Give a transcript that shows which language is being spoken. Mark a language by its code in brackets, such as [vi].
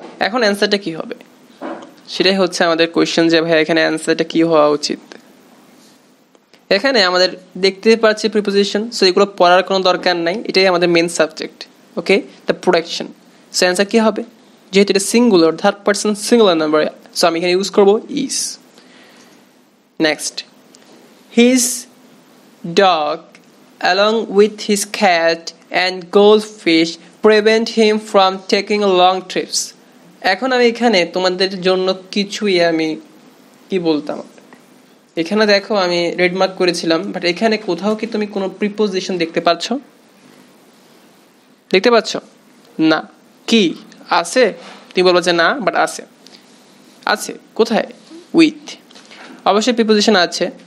[bn] এখন অ্যান্সারটা কি হবে, সেটাই হচ্ছে আমাদের কোয়েশ্চেন যে ভাই এখানে অ্যান্সারটা কি হওয়া উচিত। এখানে আমাদের দেখতে পাচ্ছি প্রিপোজিশন, সো এগুলো পড়ার কোনো দরকার নাই, এটাই আমাদের main subject. Okay, the production, so answer কি হবে, যেহেতু এটা singular, third person singular number, so আমি এখানে ইউজ করবো is. [en] Next, his dog along with his cat and goldfish prevent him from taking long trips. [bn] এখন আমি এখানে তোমাদের জন্য কিছুই আমি কি বলতাম, এখানে দেখো আমি রেড মার্ক করেছিলাম, বাট এখানে কোথাও কি তুমি কোনো প্রিপোজিশন দেখতে পাচ্ছ, দেখতে পাচ্ছ না কি আছে, তুমি বলবো যে না, বাট আছে, আছে কোথায়, উইথ, অবশ্যই প্রিপোজিশন আছে।